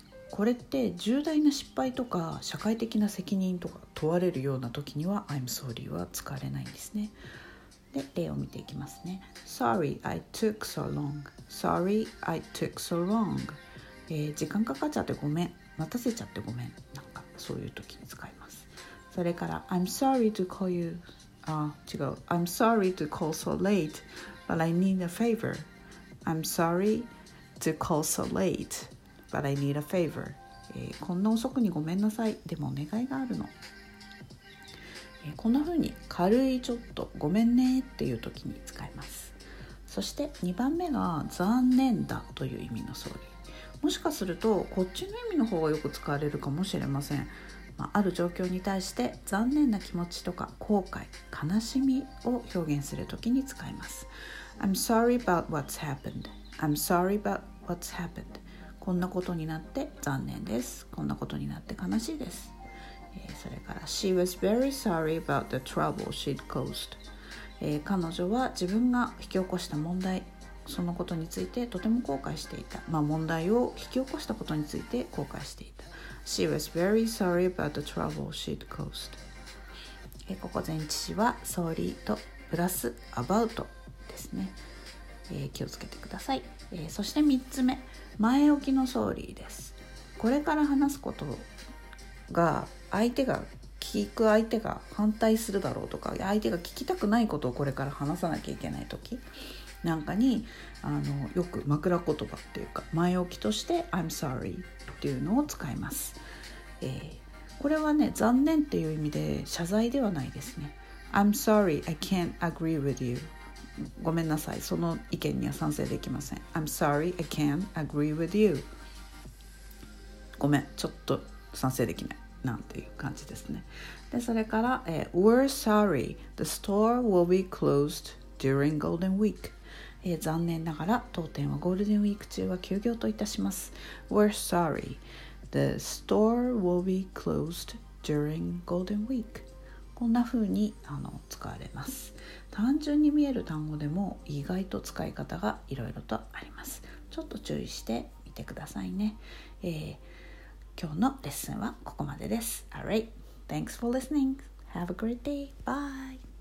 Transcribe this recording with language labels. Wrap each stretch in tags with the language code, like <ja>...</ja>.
<ja>これって重大な失敗とか社会的な責任とか問われるような時には</ja> <en>I'm sorry</en> <ja>は使われないんですね。で、例を見ていきますね。</ja> <en>Sorry I took so long</en> <ja>Sorry I took so long、時間かかっちゃってごめん、待たせちゃってごめん、そういう時に使います。</ja> <en>それから I'm sorry to call you I'm sorry to call so late but I need a favor I'm sorry to call so late but I need a favor、</en> <ja>こんな遅くにごめんなさい、でもお願いがあるの、こんな風に軽いちょっとごめんねっていう時に使います。そして2番目が残念だという意味の sorry、もしかするとこっちの意味の方がよく使われるかもしれません。まあ、ある状況に対して残念な気持ちとか後悔、悲しみを表現するときに使います。</ja> <en>I'm sorry about what's happened. I'm sorry about what's happened.</en> <ja>こんなことになって残念です。こんなことになって悲しいです。それから</ja> <en>She was very sorry about the trouble she'd caused.</en> <ja>彼女は自分が引き起こした問題、そのことについてとても後悔していた、まあ、問題を引き起こしたことについて後悔していた。</ja> <en>She was very sorry about the trouble she'd caused。</en> <ja>ここ前置詞は sorry とプラス about ですね。気をつけてください。そして3つ目、前置きの sorry です。これから話すことが相手が聞く相手が反対するだろうとか、相手が聞きたくないことをこれから話さなきゃいけないときなんかに、よく枕言葉っていうか前置きとして</ja> <en>I'm sorry</en> <ja>っていうのを使います。これはね、残念っていう意味で謝罪ではないですね。</ja> <en>I'm sorry I can't agree with you、</en> <ja>ごめんなさい、その意見には賛成できません。</ja> <en>I'm sorry I can't agree with you、</en> <ja>ごめん、ちょっと賛成できないなんていう感じですね。で、それから、</ja> <en>We're sorry the store will be closed during Golden Week、</en> <ja>残念ながら当店はゴールデンウィーク中は休業といたします。</ja> <en>We're sorry the store will be closed during Golden Week、</en> <ja>こんな風に使われます。単純に見える単語でも意外と使い方がいろいろとあります。ちょっと注意してみてくださいね。今日のレッスンはここまでです。</ja> <en>Alright, thanks for listening. Have a great day. Bye.</en>